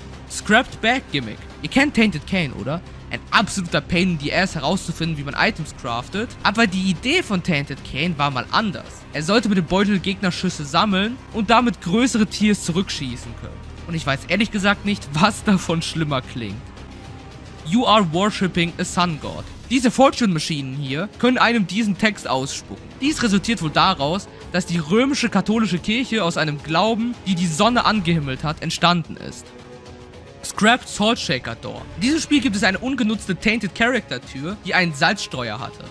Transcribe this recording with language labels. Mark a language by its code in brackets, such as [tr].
[en] Scrapped Bag Gimmick. [de] Ihr kennt Tainted Cane, oder? Ein absoluter [en] Pain in the Ass [de] herauszufinden, wie man Items craftet. Aber die Idee von Tainted Cane war mal anders. Er sollte mit dem Beutel Gegnerschüsse sammeln und damit größere Tiers zurückschießen können. Und ich weiß ehrlich gesagt nicht, was davon schlimmer klingt. [en] You are worshipping a Sun God. [de] Diese Fortune-Maschinen hier können einem diesen Text ausspucken. Dies resultiert wohl daraus, dass die römische katholische Kirche aus einem Glauben, die Sonne angehimmelt hat, entstanden ist. [en] Scrapped Salt Shaker Door. [de] In diesem Spiel gibt es eine ungenutzte Tainted Character Tür, die einen Salzstreuer hatte.